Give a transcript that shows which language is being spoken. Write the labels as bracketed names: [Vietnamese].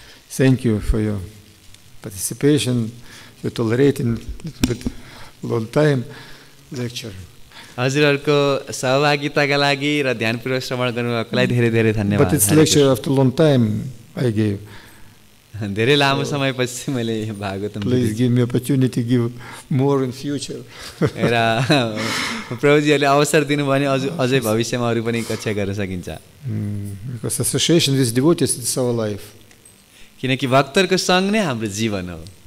[English] Thank you for your participation. You tolerate in a little bit long time lecture. [Nepali] हजुरहरुको सहभागिताका लागि र ध्यानपूर्वक श्रवण गर्नुभएकोलाई धेरै धेरै धन्यवाद. [English] But it's lecture after long time I gave. [Nepali] धेरै लामो समयपछि मैले Bhagavatam. [English] Please give me opportunity to give more in future. [Nepali] र प्रभुजीहरुले अवसर दिनुभयो भने अझै भविष्यमा अरु पनि कक्षा गर्न सकिन्छ. [English] Because association with devotees is our life. [Nepali] किनकि भक्तहरुको संग नै हाम्रो जीवन हो.